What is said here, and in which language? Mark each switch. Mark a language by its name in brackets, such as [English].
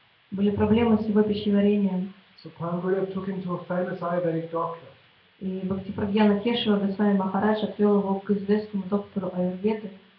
[Russian] Были проблемы с его пищеварением. [English] So Pangurya took him to a famous Ayurvedic doctor. [Russian] И Бхакти Прагьяна Кешава Госвами Махарадж отвел его к известному доктору Аюрведы.